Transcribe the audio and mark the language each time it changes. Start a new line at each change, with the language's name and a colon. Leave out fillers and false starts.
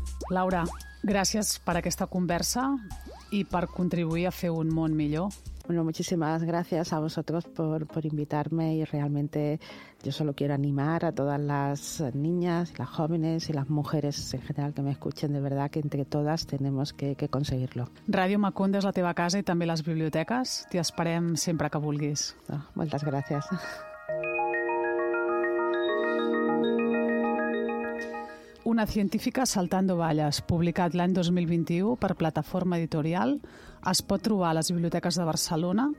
Catalan: Laura, gràcies per aquesta conversa i per contribuir a fer un món millor.
Spanish: Bueno, muchísimas gracias a vosotros por invitarme y realmente yo solo quiero animar a todas las niñas, las jóvenes y las mujeres en general que me escuchen, de verdad que entre todas tenemos que conseguirlo.
Catalan: Ràdio Macunda és la teva casa i també les biblioteques. T'hi esperem sempre que vulguis. No, moltes gràcies. Una científica saltando valles, publicat l'any 2021 per Plataforma Editorial, es pot trobar a les biblioteques de Barcelona.